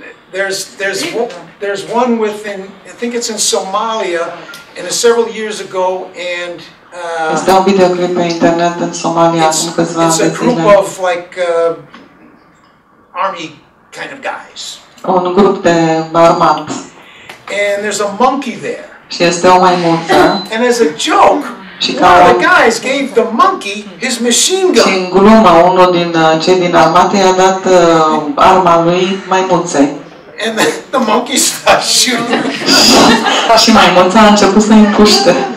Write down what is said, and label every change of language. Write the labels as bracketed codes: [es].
[en] There's one within, I think it's in Somalia, and several years ago, and [ro] este un videoclip pe internet în Somalia acum câțiva ani. [en] It's a group of like army kind of guys. [ro] Un grup de armat. [en] And there's a monkey there. [ro] Și este o maimuță. [en] And as a joke, one of the guys gave the monkey his machine gun. [ro] Și în glumă, unul din cei din armată i-a dat arma lui maimuței. [en] And the monkey starts shooting. [ro] Și maimuța a început să-i împuște.